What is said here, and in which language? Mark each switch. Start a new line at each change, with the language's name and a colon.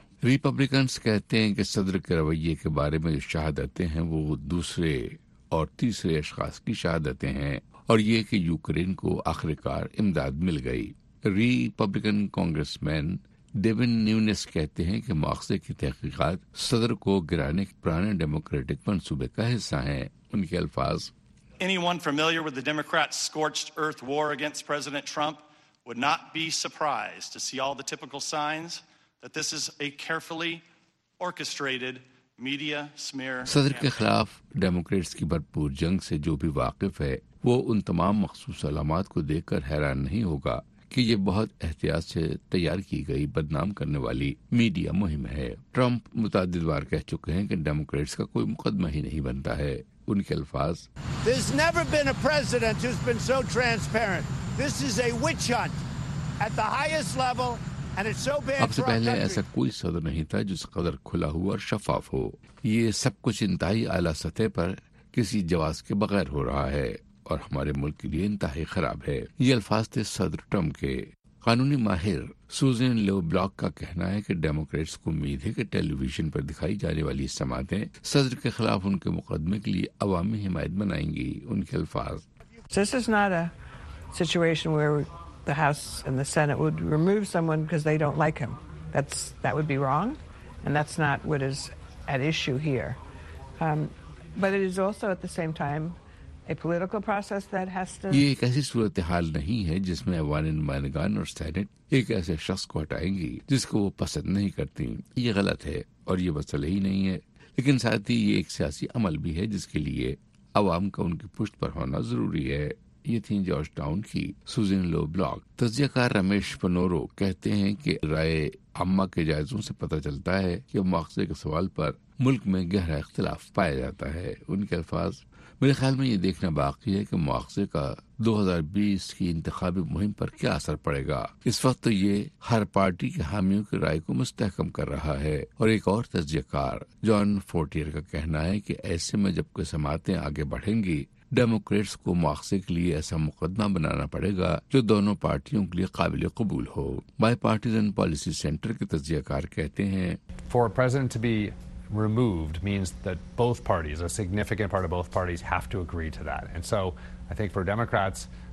Urdu: Republicans کہتے ہیں کہ صدر کے رویے کے بارے میں جو شہادتیں ہیں وہ دوسرے اور تیسرے اشخاص کی شہادتیں ہیں, اور یہ کہ یوکرین کو آخر کار امداد مل گئی. ریپبلکن کانگریس مین ڈیوین نیونس کہتے ہیں کہ مواخذے کی تحقیقات صدر کو گرانے کے پرانے ڈیموکریٹک منصوبے کا حصہ ہیں. ان کے الفاظ,
English: Anyone familiar with the Democrats' scorched earth war against President Trump would not be surprised to see all the typical signs that this is a carefully orchestrated media smear.
Urdu: صدر کے خلاف ڈیموکریٹس کی بھرپور جنگ سے جو بھی واقف ہے وہ ان تمام مخصوص علامات کو دیکھ کر حیران نہیں ہوگا کہ یہ بہت احتیاط سے تیار کی گئی بدنام کرنے والی میڈیا مہم ہے. ٹرمپ متعدد بار کہہ چکے ہیں کہ ڈیموکریٹس کا کوئی مقدمہ ہی نہیں بنتا ہے. ان کے الفاظ,
English: There's never been a president who's been so transparent. This is a witch hunt at the highest level and it's so bad for our country.
Urdu: اب سے پہلے ایسا کوئی صدر نہیں تھا جس قدر کھلا ہوا اور شفاف ہو. یہ سب کچھ انتہائی اعلیٰ سطح پر کسی جواز کے بغیر ہو رہا ہے اور ہمارے ملک کے لیے انتہائی خراب ہے. یہ الفاظ تھے صدر ٹرمپ کے. قانونی ماہر سوزین لیو بلاک کا کہنا ہے کہ ڈیموکریٹس کو امید ہے کہ ٹیلی ویژن پر دکھائی جانے والی سماعتیں صدر کے خلاف ان کے مقدمے کے لیے عوامی حمایت بنائیں گی. ان کے الفاظ,
English: This is not a situation where the House and the Senate would remove someone because they don't like him. That would be wrong and that's not what is at issue here. But it is also at the same time
Urdu: یہ ایک ایسی صورتحال نہیں ہے جس میں افغان نمائندگان اور Saint ایک ایسے شخص کو ہٹائیں گی جس کو وہ پسند نہیں کرتی. یہ غلط ہے اور یہ مسئلہ ہی نہیں ہے, لیکن ساتھ ہی یہ ایک سیاسی عمل بھی ہے جس کے لیے عوام کا ان کی پشت پر ہونا ضروری ہے. یہ تھیں جارج ٹاؤن کی سوزین لو بلاک. تجزیہ کار رمیش پنورو کہتے ہیں کہ رائے عامہ کے جائزوں سے پتہ چلتا ہے کہ مواخذے کے سوال پر ملک میں گہرا اختلاف پایا جاتا ہے. ان کے الفاظ, میرے خیال میں یہ دیکھنا باقی ہے کہ مواخذے کا 2020 کی انتخابی مہم پر کیا اثر پڑے گا. اس وقت تو یہ ہر پارٹی کے حامیوں کی رائے کو مستحکم کر رہا ہے. اور ایک اور تجزیہ کار جان فورٹیئر کا کہنا ہے کہ ایسے میں جب کوئی سماعتیں آگے بڑھیں گی ڈیموکریٹس کو مواخذے کے لیے ایسا مقدمہ بنانا پڑے گا جو دونوں پارٹیوں کے لیے قابل قبول ہو. بائی پارٹیزن پالیسی سینٹر کے تجزیہ کار کہتے ہیں,
English: removed means that both parties, a significant part of both parties, have to agree to that. And so I think for Democrats,